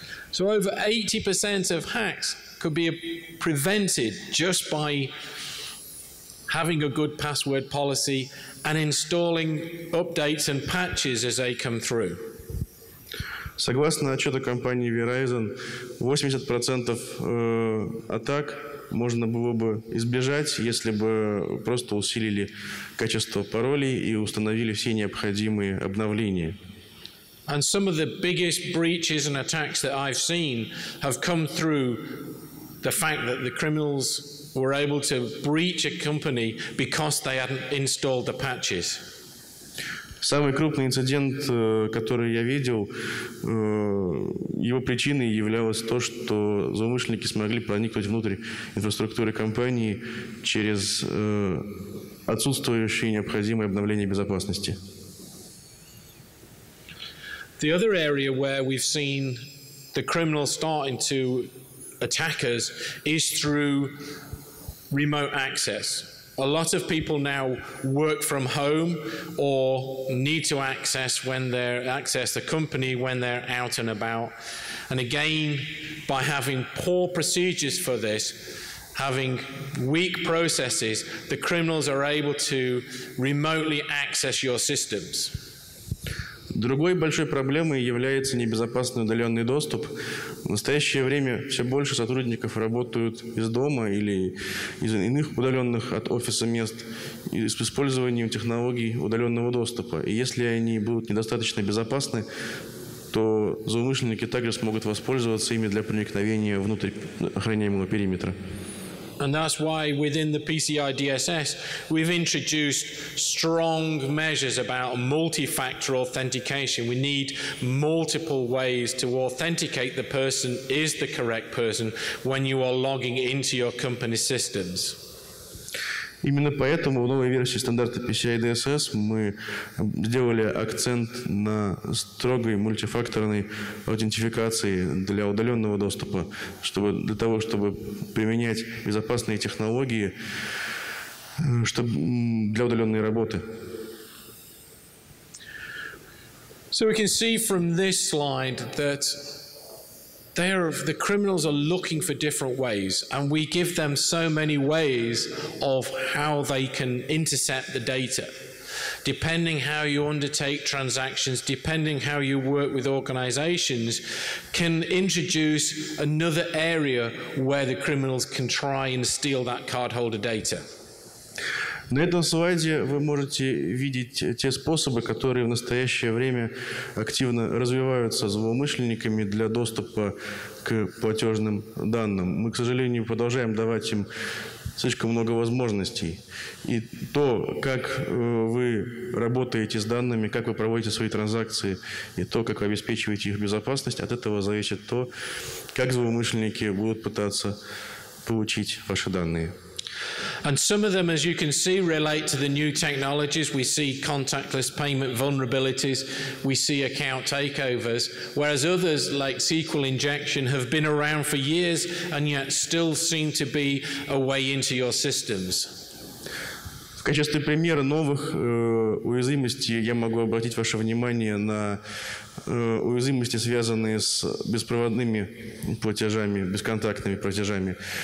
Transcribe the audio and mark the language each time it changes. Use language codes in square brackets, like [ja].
[en] So over 80% of hacks could be prevented just by having a good password policy and installing updates and patches as they come through. [ru] Согласно отчету компании Verizon, 80% атак можно было бы избежать, если бы просто усилили качество паролей и установили все необходимые обновления. [en] And some of the biggest breaches and attacks that I've seen have come through the fact that the criminals were able to breach a company because they hadn't installed the patches. [ru] Самый крупный инцидент, который я видел, его причиной являлось то, что злоумышленники смогли проникнуть внутрь инфраструктуры компании через отсутствующие необходимые обновления безопасности. [en] The other area where we've seen the criminals starting to attack us is through remote access. A lot of people now work from home or need to access the company when they're out and about. And again, by having poor procedures for this, having weak processes, the criminals are able to remotely access your systems. [ru] Другой большой проблемой является небезопасный удаленный доступ. В настоящее время все больше сотрудников работают из дома или из иных удаленных от офиса мест с использованием технологий удаленного доступа. И если они будут недостаточно безопасны, то злоумышленники также смогут воспользоваться ими для проникновения внутрь охраняемого периметра. [en] And that's why within the PCI DSS, we've introduced strong measures about multi-factor authentication. We need multiple ways to authenticate the person is the correct person when you are logging into your company's systems. [ru] Именно поэтому в новой версии стандарта PCI DSS мы сделали акцент на строгой мультифакторной аутентификации для удаленного доступа, чтобы для того, чтобы применять безопасные технологии для удаленной работы. [en] So we can see from this slide that the criminals are looking for different ways, and we give them so many ways of how they can intercept the data. Depending how you undertake transactions, depending how you work with organizations, can introduce another area where the criminals can try and steal that cardholder data. [ru] На этом слайде вы можете видеть те способы, которые в настоящее время активно развиваются злоумышленниками для доступа к платежным данным. Мы, к сожалению, продолжаем давать им слишком много возможностей. И то, как вы работаете с данными, как вы проводите свои транзакции, и то, как вы обеспечиваете их безопасность, от этого зависит то, как злоумышленники будут пытаться получить ваши данные. [en] And some of them, as you can see, relate to the new technologies. We see contactless payment vulnerabilities, we see account takeovers, whereas others, like SQL injection, have been around for years and yet still seem to be a way into your systems. [ru] В качестве примера новых уязвимостей я могу обратить ваше внимание на уязвимости, связанные с беспроводными платежами, бесконтактными платежами.